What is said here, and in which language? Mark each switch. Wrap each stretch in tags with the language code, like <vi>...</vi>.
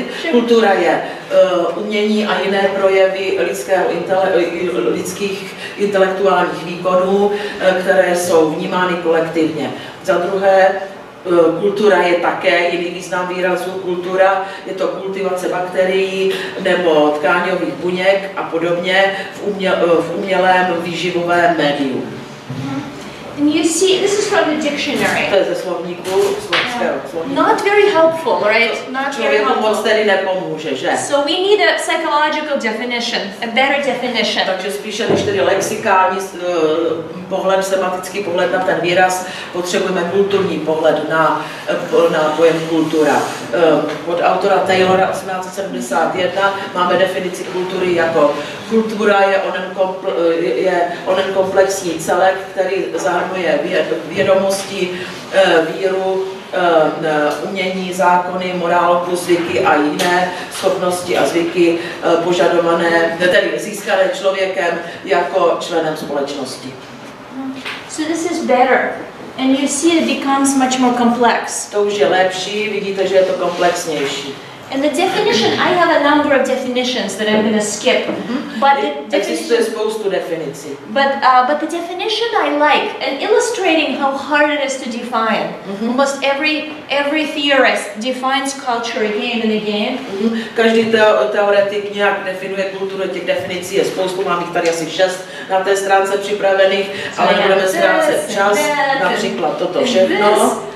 <cs>Kultura je umění a jiné projevy lidských intelektuálních výkonů, které jsou vnímány kolektivně. Za druhé, kultura je také jiný význam výrazu. Kultura je to kultivace bakterií nebo tkáňových buněk a podobně v umělém výživovém médiu.</cs> <en>And you see, this is from the dictionary.</en> <cs>To je slovníku, slovníku.</cs> <en>Not very helpful, right? Not very helpful.</en> <cs>Člověku moc tady nepomůže, že?</cs> <en>So we need a psychological definition, a better definition.</en> <cs>Takže spíše než tedy lexikální pohled, semantický pohled na ten výraz, potřebujeme kulturní pohled na, na pojem kultura. Od autora Taylora 1871 máme definici kultury jako kultura je onen, onen komplexní celek, který zahrnuje vědomosti, víru, umění, zákony, morálku, zvyky a jiné schopnosti a zvyky požadované, tedy získané člověkem jako členem společnosti.</cs> <en>So this is better. And you see it becomes much more complex.</en> <cs>To už je lepší, vidíte, že je to komplexnější.</cs> <en>And the definition, I have a number of definitions that I'm going to skip. But the</en> <cs>existuje spoustu definicí.</cs> <en>But the definition I like, and illustrating how hard it is to define. Mm-hmm. Almost every theorist defines culture again and again. Mm-hmm.</en> <cs>Každý teoretik nějak definuje kulturu, těch definicí je spoustu, mám jich tady asi 6 na té stránce připravených, so ale budeme ztrácet čas, například toto všechno.</cs>